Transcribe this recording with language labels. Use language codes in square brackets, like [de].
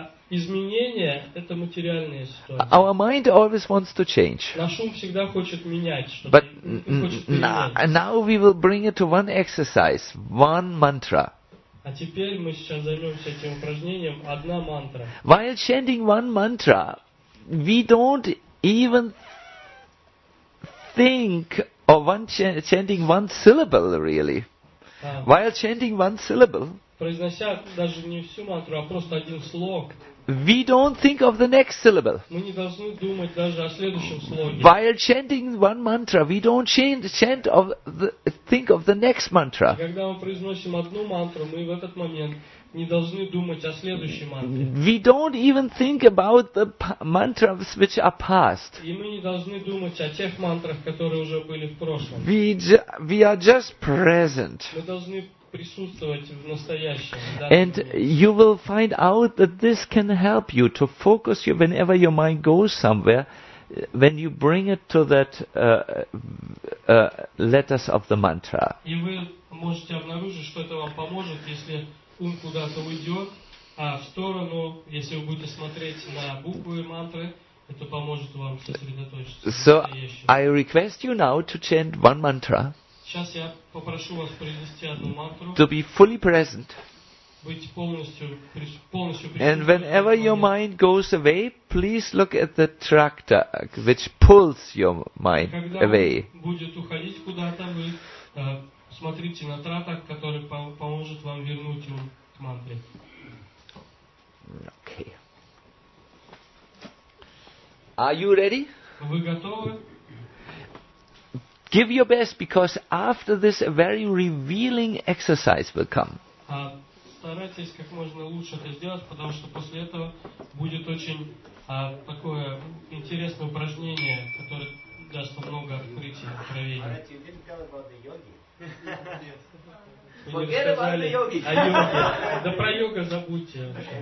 [ru] Изменения — это материальные истории. [en] Our mind always wants to change. [ru] Наш ум всегда хочет менять что-то. [en] But now we will bring it to one exercise, one mantra. [ru] А теперь мы сейчас займемся этим упражнением одна мантра. [en] While chanting one mantra, we don't even think of one chanting one syllable really. While chanting one syllable, [ru] произнося даже не всю мантру, а просто один слог. [en] We don't think of the next syllable. [ru] Мы не должны думать даже о следующем слоге. [en] While chanting one mantra, we don't think of the next mantra. [ru] Когда мы произносим одну мантру, мы в этот момент не должны думать о следующей мантре. [en] We don't even think about the mantras which are past. [ru] И мы не должны думать о тех мантрах, которые уже были в прошлом. [en] We are just present. [ru] Мы должны присутствовать в настоящем. [en] And you will find out that this can help you to focus you whenever your mind goes somewhere, when you bring it to that letters of the mantra. [ru] И вы можете обнаружить, что это вам поможет, если ум куда-то уйдет, а в сторону, если вы будете смотреть на буквы мантры, это поможет вам сосредоточиться. [en] So I request you now to chant one mantra. [ru] Сейчас я попрошу вас произнести одну мантру. [en] To be fully present. [ru] Быть полностью [en] present. And whenever your mind goes away, please look at the tractor which pulls your mind away. [ru] Когда будет уходить куда-то, вы смотрите на трактор, который поможет вам вернуть ум к мантре. [en] Okay. Are you ready? [ru] Вы готовы? [en] Give your best, because after this a very revealing exercise will come. [ru] Старайтесь как можно лучше это сделать, потому что после этого будет очень такое интересное упражнение, которое даст много открытий, откровений. [en] Alright, you didn't tell about the yogi. Forget about the yogi. [ru] О йоге. Да про йогу забудьте.